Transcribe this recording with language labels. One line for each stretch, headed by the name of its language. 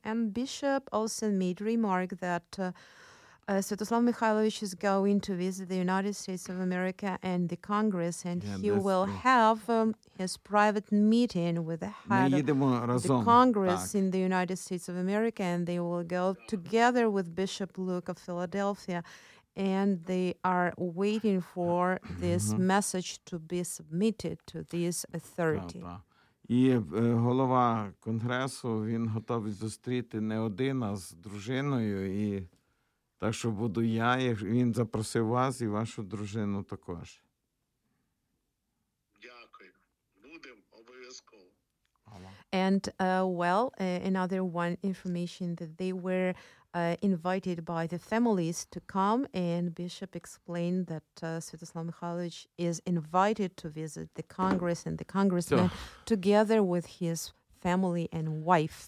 English: And Bishop also made remark that Svetoslav Mikhailovich is going to visit the United States of America and the Congress, and he will have his private meeting with the head of the Congress in the United States of America, and they will go together with Bishop Luke of Philadelphia, and they are waiting for this message to be submitted to this authority.
Ukrainian: І голова Конгресу, він готовий зустріти не один, а з дружиною. І так, що буду я, він запросив вас і вашу дружину також. Дякую. Будемо обов'язково.
English: And, well, another one information that they were invited by the families to come, and Bishop explained that Svetoslav Mikhailovich is invited to visit the Congress and the congressman together with his family and wife.